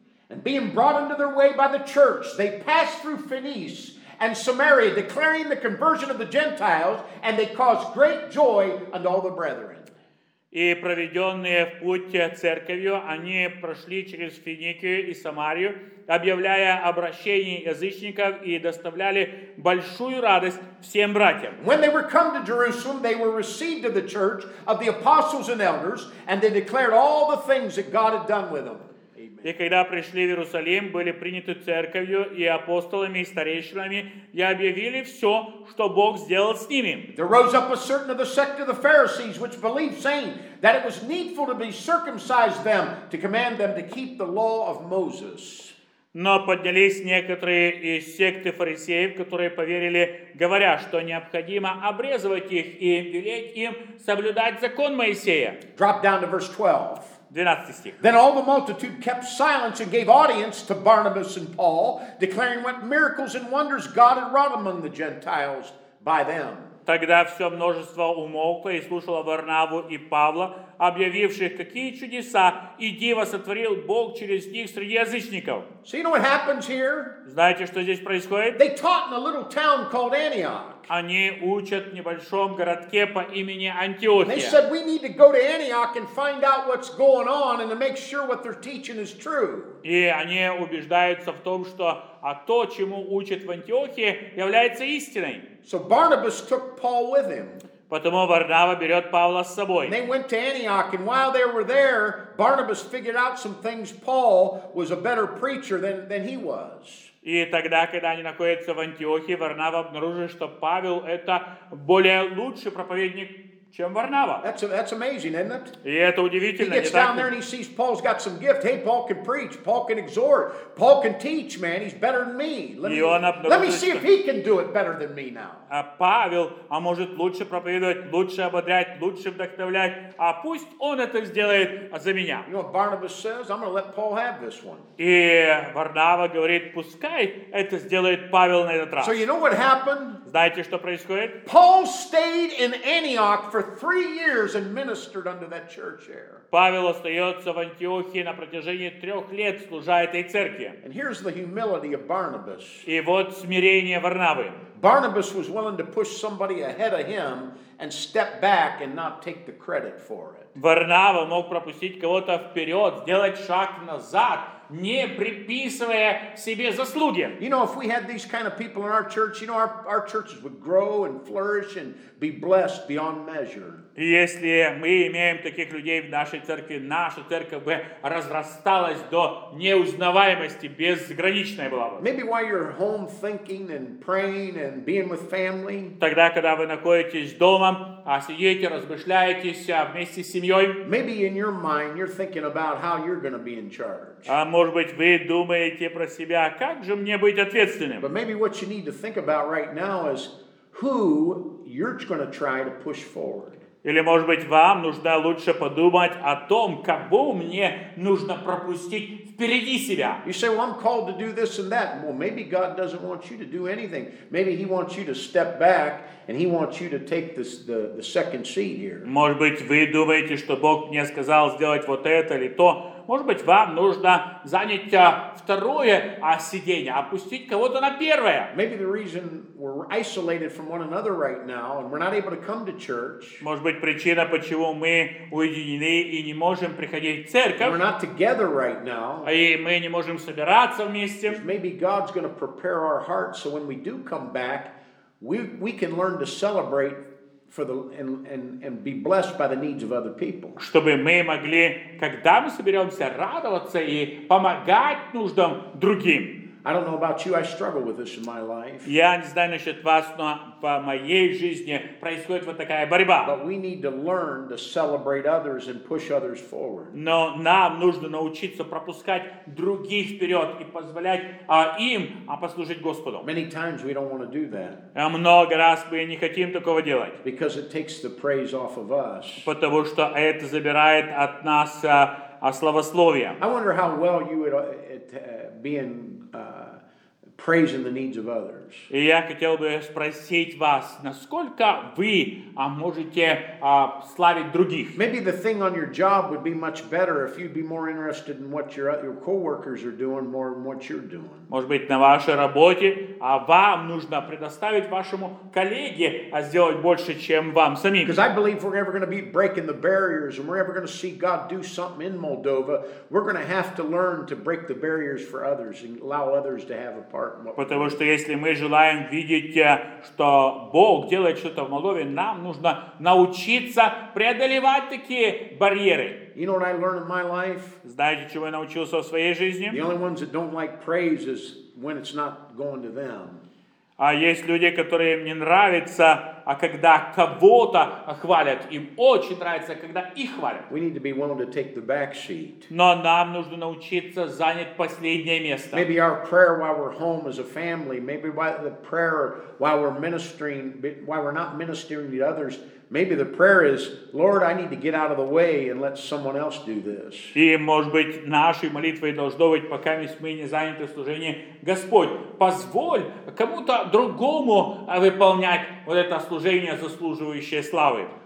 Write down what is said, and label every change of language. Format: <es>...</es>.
<en>And being brought into their way by the church, they passed through Phoenicia and Samaria, declaring the conversion of the Gentiles, and they caused great joy unto all the brethren.</en> <ru>И проведенные в путь церковью, они прошли через Финикию и Самарию, объявляя обращение язычников и доставляли большую радость всем братьям.</ru> <en>When they were come to Jerusalem, they were received to the church of the apostles and elders, and they declared all the things that God had done with them. Amen.</en> <ru>И когда пришли в Иерусалим, были приняты церковью и апостолами и старейшинами, и объявили все, что Бог сделал с ними.</ru> <en>There rose up a certain of the sect of the Pharisees, which believed, saying that it was needful to be circumcised them, to command them to keep the law of Moses.</en> <ru>Но поднялись некоторые из секты фарисеев, которые поверили, говоря, что необходимо обрезывать их и велеть им соблюдать закон Моисея.</ru> <en>Drop down to verse 12.</en> <ru>12 стих.</ru> <en>Then all the multitude kept silence and gave audience to Barnabas and Paul, declaring what miracles and wonders God had wrought among the Gentiles by them.</en> <ru>Тогда все множество умолкло и слушало Варнаву и Павла, объявивших, какие чудеса и дива сотворил Бог через них среди язычников.</ru> <en>So you know what happens here?</en> <ru>Знаете, что здесь происходит?</ru> <en>They taught in a little town called Antioch.</en> <ru>Они учат в небольшом городке по имени Антиохия.</ru> <en>They said we need to go to Antioch and find out what's going on and to make sure what they're teaching is true.</en> <ru>И они убеждаются в том, что то, чему учат в Антиохии, является истиной.</ru> <en>So Barnabas took Paul with him.</en> <ru>Потому Варнава берет Павла с собой.</ru> <en>And they went to Antioch, and while they were there, Barnabas figured out some things. Paul was a better preacher than he was.</en> <ru>И тогда, когда они находятся в Антиохии, Варнава обнаружил, что Павел это более лучший проповедник, чем Варнава.</ru> <en>That's amazing, isn't it?</en> <ru>И это удивительно.</ru> <en>He gets down there and he sees Paul's got some gift. Hey, Paul can preach. Paul can exhort. Paul can teach, man. He's better than me. Let me see if he can do it better than me now.</en> <ru>А Павел, а может лучше проповедовать, лучше ободрять, лучше вдохновлять. А пусть он это сделает за меня.</ru> <en>You know what Barnabas says? I'm going to let Paul have this one.</en> <ru>И Варнава говорит, пускай это сделает Павел на этот раз.</ru> <en>So you know what happened?</en> <ru>Знаете, что происходит?</ru> <en>Paul stayed in Antioch for 3 years and ministered under that church there.</en> <ru>Павел остается в Антиохии на протяжении 3 лет, служа этой церкви.</ru> <en>And here's the humility of Barnabas.</en> <ru>И вот смирение Варнавы.</ru> <en>Barnabas was willing to push somebody ahead of him and step back and not take the credit for it.</en> <ru>Варнава мог пропустить кого-то вперед, сделать шаг назад, не приписывая себе заслуги.</ru> <en>You know, if we had these kind of people in our church, you know, our churches would grow and flourish and be blessed beyond measure.</en> <ru>Если мы имеем таких людей в нашей церкви, наша церковь бы разрасталась до неузнаваемости, безграничная была бы.</ru> <en>Maybe while you're home thinking and praying and being with family.</en> <ru>Тогда, когда вы находитесь дома, а сидите, размышляетесь вместе с семьей.</ru> <en>Maybe in your mind you're thinking about how you're going to be in charge.</en> <ru>А может быть, вы думаете про себя, как же мне быть ответственным?</ru> <en>But maybe what you need to think about right now is who you're going to try to push forward.</en> <ru>Или, может быть, вам нужно лучше подумать о том, кого мне нужно пропустить впереди себя.</ru> <en>You say, well, I'm called to do this and that. Well, maybe God doesn't want you to do anything. Maybe he wants you to step back and he wants you to take this, the second seat here.</en> <ru>Может быть, вы думаете, что Бог мне сказал сделать вот это или то. Может быть, вам нужно занять второе сиденье, опустить кого-то на первое.</ru> <en>Maybe the reason we're isolated from one another right now and we're not able to come to church.</en> <ru>Может быть, причина, почему мы уединены и не можем приходить в церковь.</ru> <en>And we're not together right now.</en> <ru>И мы не можем собираться вместе.</ru> <en>Maybe God's going to prepare our hearts so when we do come back, we can learn to celebrate for the and be blessed by the needs of other people.</en> <ru>Чтобы мы могли, когда мы соберемся, радоваться и помогать нуждам другим.</ru> <en>I don't know about you, I struggle with this in my life.</en> <ru>Я не знаю насчет вас, но по моей жизни происходит вот такая борьба.</ru> <en>But we need to learn to celebrate others and push others forward.</en> <ru>Но нам нужно научиться пропускать других вперед и позволять им послужить Господу.</ru> <en>Many times we don't want to do that.</en> <ru>Много раз мы не хотим такого делать.</ru> <en>Because it takes the praise off of us.</en> <ru>Потому что это забирает от нас славословие.</ru> <en>I wonder how well you would be in praising the needs of others.</en> <ru>И я хотел бы спросить вас, насколько вы можете славить других?</ru> <en>Maybe the thing on your job would be much better if you'd be more interested in what your coworkers are doing more than what you're doing.</en> <ru>Может быть, на вашей работе вам нужно предоставить вашему коллеге сделать больше, чем вам самим.</ru> <en>Because I believe we're ever going to be breaking the barriers and we're ever going to see God do something in Moldova, we're going to have to learn to break the barriers for others and allow others to have a part.</en> <ru>Потому что если мы желаем видеть, что Бог делает что-то в Молдове, нам нужно научиться преодолевать такие барьеры.</ru> <en>You know what I learned in my life?</en> <ru>Знаете, чего я научился в своей жизни?</ru> <en>The only ones that don't like praise is when it's not going to them.</en> <ru>А есть люди, которые им не нравятся, а когда кого-то хвалят, им очень нравится, когда их хвалят.</ru> <en>We need to be willing to take the back seat.</en> <ru>Но нам нужно научиться занять последнее место.</ru> <en>Maybe our prayer while we're home as a family, maybe the prayer while we're ministering, while we're not ministering to others, maybe the prayer is, Lord, I need to get out of the way and let someone else do this.</en> <ru>И, может быть, нашей молитвой должно быть, пока мы не заняты служением, Господь, позволь кому-то другому выполнять вот это служение, заслуживающее славы.</ru>